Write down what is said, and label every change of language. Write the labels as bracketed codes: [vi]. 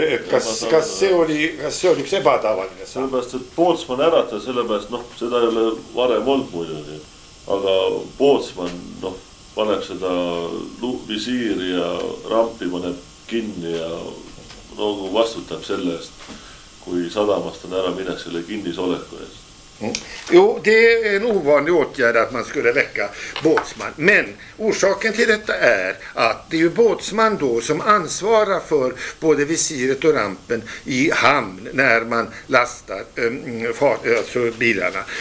[et] Kassioli epätavallinen sam. Sellepärast, että Båtsman ärattas, sellepärast, noh, seda ei ole varem olnud muidugi. Aga Båtsman, noh, paneb seda visiiri ja rampi, paneb kinni ja nagu vastutab selle eest, kui sadamast on ära minnes selle kinnisoleku eest. [sv] Jo, det är en ovanlig åtgärd att man skulle väcka Båtsman. Men orsaken till detta är att det är ju Båtsman då som ansvarar för både visiret och rampen i hamn när man lastar alltså bilarna.